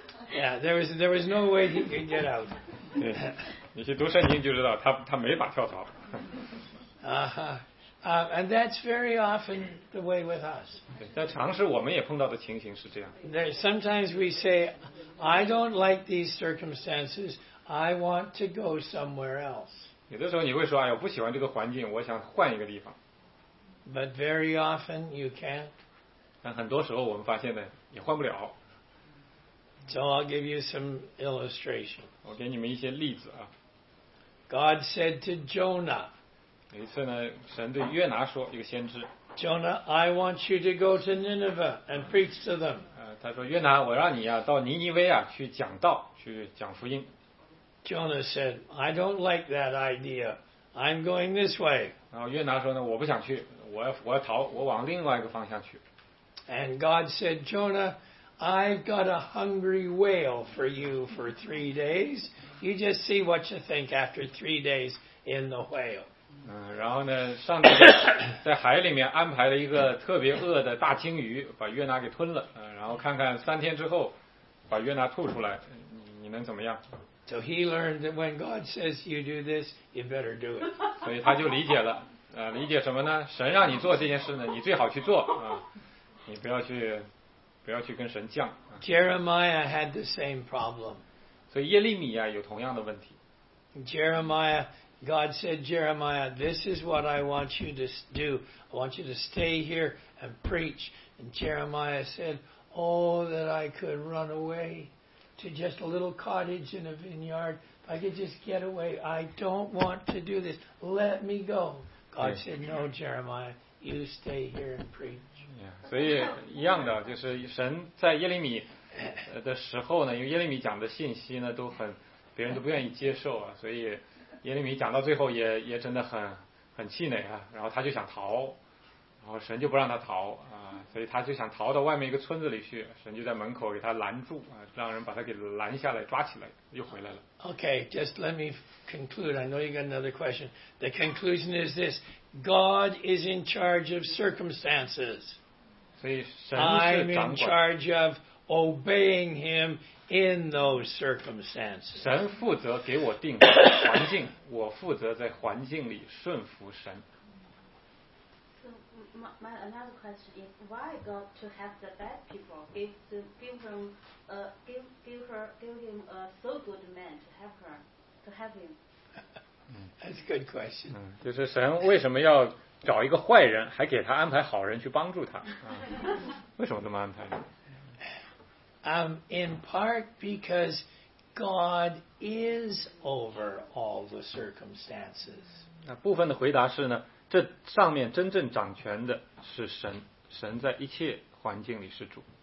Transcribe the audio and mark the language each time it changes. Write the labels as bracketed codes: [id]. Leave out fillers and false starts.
[en] Yeah, there was no way he could get out. [zh] 你去读圣经就知道，他没法跳槽。 [en] And that's very often the way with us. [zh] 在常试我们也碰到的情形是这样。 [en] Sometimes we say, I don't like these circumstances. I want to go somewhere else. [zh] 有的时候你会说，哎，我不喜欢这个环境，我想换一个地方。 [en] But very often you can't. [zh] 但很多时候我们发现呢，也换不了。 [en] So I'll give you some illustration. [zh] 我给你们一些例子啊。 [en] God said to Jonah. [zh] 有一次呢，神对约拿说，一个先知。 [en] Jonah, I want you to go to Nineveh and preach to them. [zh] 他说，约拿，我让你啊，到尼尼微啊去讲道，去讲福音。 [en] Jonah said, I don't like that idea. I'm going this way. [zh] 然后约拿说呢，我不想去，我要逃，我往另外一个方向去。 [en] And God said, Jonah, I've got a hungry whale for you for 3 days. You just see what you think after 3 days in the whale. [zh] 然后呢，上帝在海里面安排了一个特别饿的大鲸鱼，把约拿给吞了。然后看看三天之后，把约拿吐出来，你能怎么样 [en] ？So he learned that when God says you do this, you better do it. [zh] 所以他就理解了，理解什么呢？神让你做这件事呢，你最好去做啊，你不要去跟神犟。 [en] Jeremiah had the same problem. [zh] 所以耶利米啊有同样的问题。 [en] Jeremiah God said, Jeremiah, this is what I want you to do. I want you to stay here and preach. And Jeremiah said, oh, that I could run away to just a little cottage in a vineyard. If I could just get away. I don't want to do this. Let me go. God yeah. said, no, Jeremiah, you stay here and preach. Yeah. [zh] 所以一样的，就是神在耶利米的时候呢，因为耶利米讲的信息呢，都很，别人都不愿意接受啊，所以耶利米讲到最后也真的很气馁啊，然后他就想逃，然后神就不让他逃啊，所以他就想逃到外面一个村子里去，神就在门口给他拦住啊，让人把他给拦下来抓起来又回来了。 [en] Okay, just let me conclude. I know you got another question. The conclusion is this: God is in charge of circumstances. [zh] 所以神是掌管。 [en] I'm in charge of obeying Him in those circumstances. [zh] 神负责给我定环境，我负责在环境里顺服神。 [en] My another question is, why God to have the bad people give him a so good man to have him? That's a good question. [zh] 就是神为什么要找一个坏人，还给他安排好人去帮助他？为什么这么安排呢？ [en] In part because God is over all the circumstances. [zh] 那部分的回答是呢？这上面真正掌权的是神，神在一切环境里是主。